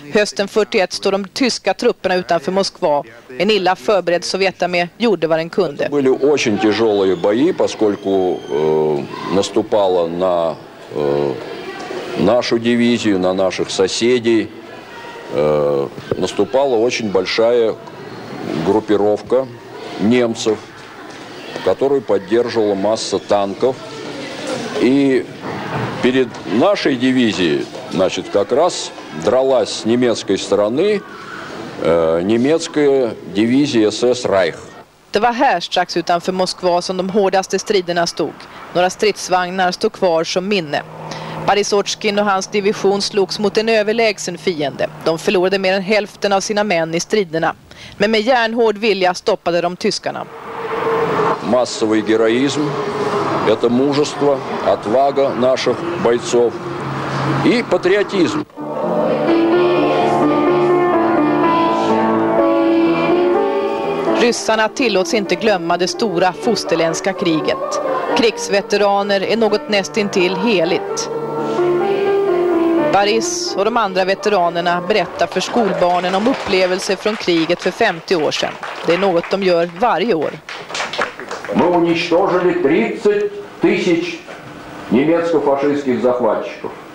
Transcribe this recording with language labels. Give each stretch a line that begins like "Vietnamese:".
Swedish: Hösten 41 står de tyska trupperna utanför Moskva. En illa förberedd sovjetarmé gjorde vad den kunde. Det var väldigt tjocka bojer, eftersom det var på
Russian: нашу дивизию, на наших соседей. Наступала очень большая группировка немцев, которую поддерживала масса танков. И перед нашей дивизией, значит, как раз дралась с немецкой стороны немецкая дивизия СС «Райх».
Swedish: Det var här strax utanför Moskva som de hårdaste striderna stod. Några stridsvagnar stod kvar som minne. Barisotskin och hans division slogs mot en överlägsen fiende. De förlorade mer än hälften av sina män i striderna. Men med järnhård vilja stoppade de tyskarna. Massivt heroism, det är
Russian: мужество, отвага наших бойцов и патриотизм.
Swedish: Ryssarna tillåts inte glömma det stora fosterländska kriget. Krigsveteraner är något nästintill heligt. Boris och de andra veteranerna berättar för skolbarnen om upplevelser från kriget för 50 år sedan. Det är något de gör varje år.
Russian: Мы уничтожили 30 тысяч немецко-фашистских захватчиков.